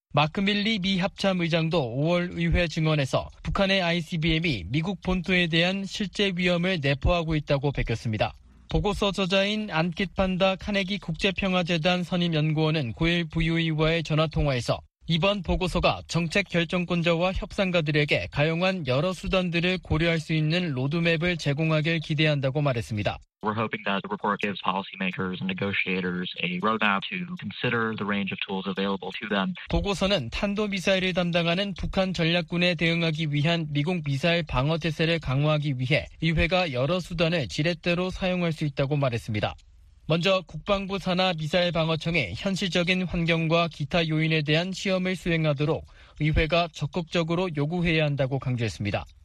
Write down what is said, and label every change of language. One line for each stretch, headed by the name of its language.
Korean: 마크 밀리 미 합참의장도 5월 의회 증언에서 북한의 ICBM이 미국 본토에 대한 실제 위험을 내포하고 있다고 밝혔습니다. 보고서 저자인 안킷판다 카네기 국제평화재단 선임연구원은 9일 VOA와의 전화통화에서 이번 보고서가 정책 결정권자와 협상가들에게 가용한 여러 수단들을 고려할 수 있는 로드맵을 제공하길 기대한다고 말했습니다.
English: We're hoping that the report gives policymakers and negotiators a roadmap to consider the range of tools available to them.
Korean: 보고서는 탄도미사일을 담당하는 북한 전략군에 대응하기 위한 미국 미사일 방어 태세를 강화하기 위해 의회가 여러 수단을 지렛대로 사용할 수 있다고 말했습니다. 먼저 국방부 산하 미사일 방어청에 현실적인 환경과 기타 요인에 대한 시험을 수행하도록 의회가 적극적으로 요구해야 한다고 강조했습니다.